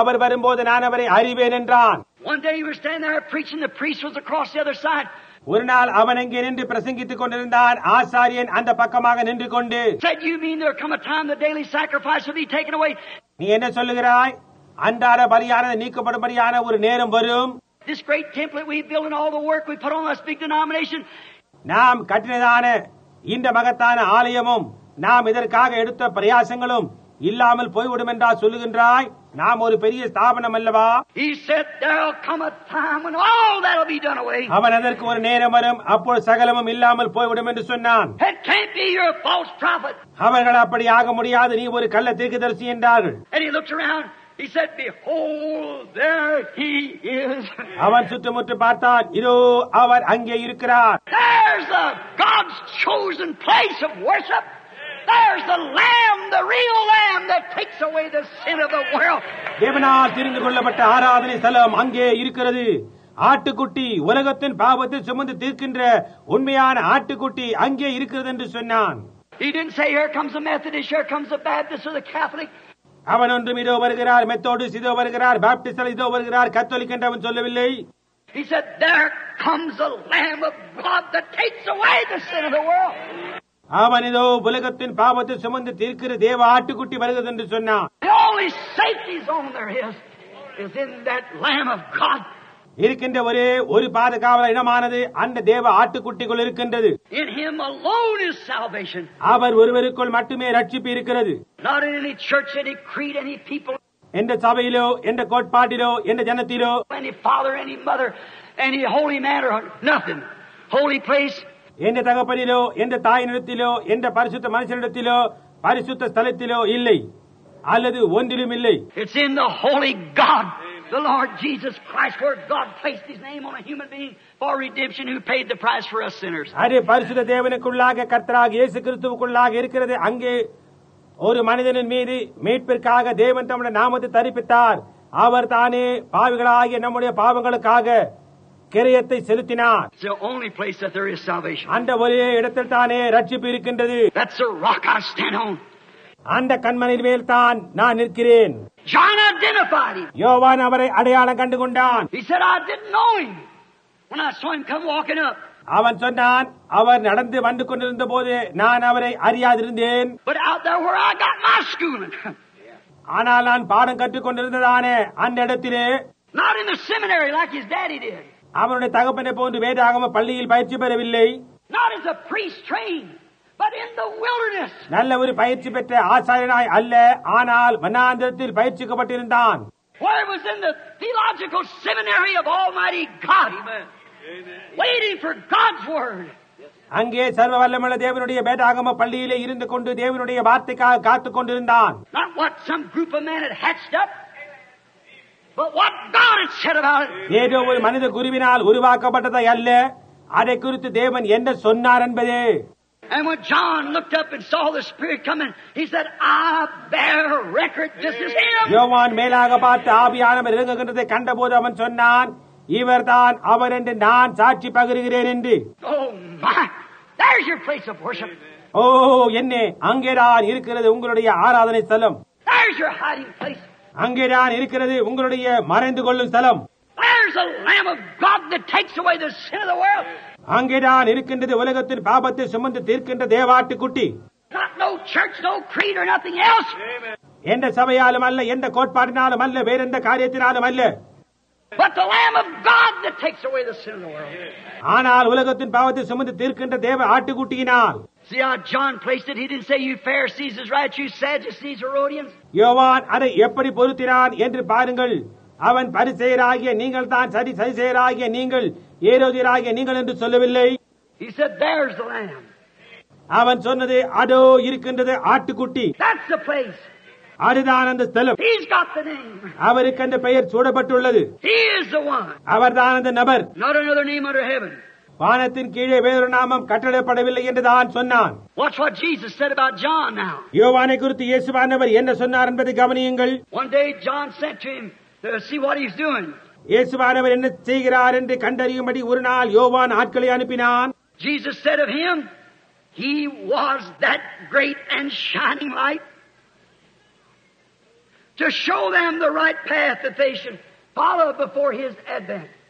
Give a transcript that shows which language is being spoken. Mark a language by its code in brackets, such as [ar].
[ta] அவர் வரும்போது நான் அவரை அறிவேன் என்றான். [en] One day he was standing there preaching, the priest was across the other side. [ta] ஒரு நாள் அவன் அங்கே நின்று பிரசங்கித்துக் கொண்டிருந்தான், ஆசாரியன் அந்த பக்கமாக நின்று கொண்டு. [en] Said you mean there come a time the daily sacrifice will be taken away? [ta] நீ என்ன சொல்லுகிறாய், அன்றாட பலியானது நீக்கப்படும்படியான ஒரு நேரம் வரும்? [en] This great temple we built and all the work we put on us big denomination. [ta] நாம் கட்டினதான இந்த மகத்தான ஆலயமும் நாம் இதற்காக எடுத்த பிரயாசங்களும் இல்லாமல் போய்விடும் என்றா சொல்லுகின்றாய்? நாம் ஒரு பெரிய ஸ்தாபனம் அல்லவா? [en] He said there'll come a time when all that'll be done away. [ta] அவன் அதற்கு ஒரு நேரம் வரும், அப்போ சகலமும் இல்லாமல் போய்விடும் என்று சொன்னான். [en] It can't be, you're a false prophet. [ta] அவர்கள், அப்படி ஆக முடியாது, நீ ஒரு கள்ள தீர்க்கதரிசி என்றார்கள். [en] And he looked around He said, "Behold, there he is." [ta] அவன் சுற்றுமுற்று பார்த்தான், இதோ அவர் அங்கே இருக்கிறார். [en] There's the God's chosen place of worship. There's the Lamb, the real Lamb that takes away the sin of the world. [ta] தேவனால் தீர்ந்து கொள்ளப்பட்ட ஆராதனை ஸ்தலம் அங்கே இருக்கிறது. ஆட்டுக்குட்டி உலகத்தின் பாவத்தை சுமந்து தீர்க்கின்ற உண்மையான ஆட்டுக்குட்டி அங்கே இருக்கிறது என்று சொன்னான். [en] He didn't say, "Here comes a Methodist, here comes a Baptist, or the Catholic." [ta] அவன் ஒன்றும் இதோ வருகிறார், மெத்தோடிஸ்ட் இதோ வருகிறார், பாப்டிஸ்ட் இதோ வருகிறார், கத்தோலிக் என்று அவன் சொல்லவில்லை. [en] He said, "There comes a Lamb of God that takes away the sin of the world." [ta] அவன் இதோ உலகத்தின் பாவத்தை சுமந்து தீர்க்கிற தேவ ஆட்டுக்குட்டி வருகிறது என்று சொன்னான். [en] The only safety zone there is in that Lamb of God. [ta] இருக்கின்ற ஒரு பாதுகாவல இடமானது அந்த தேவ ஆட்டுக்குட்டிக்குள் இருக்கின்றது. [en] In him alone is salvation. [ta] அவர் ஒருவருக்குள் மட்டுமே ரட்சிப்பு இருக்கிறது. [en] Not in any church, any creed, any people. [ta] எந்த சபையிலோ, எந்த கோட்பாட்டிலோ, எந்த ஜனத்திலோ, [en] any father, any mother, any holy man or nothing. Holy place. [ta] எந்த தகப்பனிலோ, எந்த தாயினிடத்திலோ, எந்த பரிசுத்த மனுஷனிடத்திலோ, பரிசுத்த ஸ்தலத்திலோ இல்லை, அல்லது ஒன்றிலும் இல்லை. [en] It's in the holy God. The Lord Jesus Christ, where God placed his name on a human being for redemption, who paid the price for us sinners. [ta] அதே பரிசுத்த தேவனுக்குள்ளாக கர்த்தராக இயேசு கிறிஸ்துவுக்குள்ளாக இருக்கிறது. அங்கே ஒரு மனிதனின் மீது மீட்பிற்காக தேவன் தம்முடைய நாமத்தை தரிப்பித்தார். அவர் தானே பாவிகளாகிய நம்முடைய பாவங்களுக்காக கிரயத்தை செலுத்தினார். [en] The only place that there is salvation. [ta] அந்த ஒரே இடத்தில் தானே ரட்சிப்பு இருக்கின்றது. [en] That's the rock I stand on. [ta] அந்த கண்மணியின் மேல் தான் நான் நிற்கிறேன். [en] John identified him. [ta] யோவான் அவரை அடையாளம் கண்டுகொண்டான். [en] He said, "I didn't know him when I saw him come walking up." [ta] அவன் சொன்னான், அவர் நடந்து வந்து கொண்டிருந்த போது நான் அவரை அறியாதிருந்தேன். [en] But out there where I got my schooling. [ta] ஆனால் நான் பாடம் கற்றுக் கொண்டிருந்ததானே அந்த இடத்திலே. [en] Not in the seminary like his daddy did. [ta] அவருடைய தகப்பனை போன்று வேதாகம பள்ளியில் பயிற்சி பெறவில்லை. [en] Not as a priest trained. But in the wilderness. [ta] நல்ல ஒரு பயிற்சி பெற்ற ஆசாரியனாய் அல்ல, ஆனால் வனாந்திரத்தில் பயிற்சிக்கப்பட்டிருந்தான். [en] Where was in the theological seminary of Almighty God. Amen. Waiting for God's word. [ta] அங்கே சர்வ வல்லமுள்ள தேவனுடைய வேதாகம பள்ளியிலே இருந்து கொண்டு தேவனுடைய வார்த்தைக்காக காத்துக் கொண்டிருந்தான். [en] Not what some group of men had hatched up. But what God had said about it. [ta] ஏதோ ஒரு மனித குருவினால் உருவாக்கப்பட்டதை அல்ல, அதை குறித்து தேவன் என்ன சொன்னார் என்பதே. [en] And when John looked up and saw the Spirit coming, he said, "I bear record, this is him." [ta] யோவான் மேலாக பார்த்து ஆவியானவர் இறங்குகிறதை கண்டபோது அவன் சொன்னான், இவர்தான் அவர் என்று நான் சாட்சி பகிர்கிறேன் என்று. [en] Oh my, there's your place of worship. [ta] Oh, என்னே, அங்கேதான் இருக்கிறது உங்களுடைய ஆராதனை ஸ்தலம். [en] There's your hiding place. [ta] அங்கேதான் இருக்கிறது உங்களுடைய மறைந்து கொள்ளும் ஸ்தலம். [en] There's the Lamb of God that takes away the sin of the world. [ta] அங்கேதான் இருக்கின்றது உலகத்தின் பாபத்தை சுமந்து தீர்க்கின்ற தேவாட்டுக்குட்டி. [en] Not no church, no creed or nothing else. [ta] எந்த சபையாலும் அல்ல, எந்த கோட்பாடினாலும் அல்ல, வேற எந்த காரியத்தினாலும் அல்ல. [en] But the Lamb of God that takes away the sin of the world. [ta] ஆனால் உலகத்தின் பாவத்தை சுமந்து தீர்க்கின்ற தேவ ஆட்டுக்குட்டியினால். [en] See how John placed it. He didn't say, "You Pharisees is right, you Sadducees, Herodians." [ta] யோவான் அதை எப்படி பொருத்தினான் என்று பாருங்கள். அவன் பரிசேயராகிய நீங்கள் தான் சரி, சரிசேயராகிய நீங்கள் ஏரோதியராகிய நீங்கள் என்று சொல்லவில்லை. [en] He said, "There's the lamb." [ta] அவன் சொன்னது, அதோ இருக்கின்றது ஆட்டுக்குட்டி. [en] That's the place. [ta] அதுதான் அந்த ஸ்தலம். [en] He's got the name. [ta] அவருக்கு அந்த பெயர் சூடப்பட்டுள்ளது. [en] He is the one. [ta] அவர்தான் அந்த நபர். [en] Not another name under heaven. [ta] வானத்தின் கீழே வேறொரு நாமம் கட்டளையிடப்படவில்லை என்று தான் சொன்னான். [en] Watch what Jesus said about John now. [ta] யோவானை குறித்து இயேசுவானவர் என்ன சொன்னார் என்பதை கவனியுங்கள். [en] One day John sent to him to see what he's doing. [ta] இயேசுவானவர் என்ன செய்கிறார் என்று கண்டறியும்படி ஒரு நாள் யோவான் ஆட்களை அனுப்பினான். [en] Jesus said of him, he was that great and shining light to show them the right path that they should follow before his advent.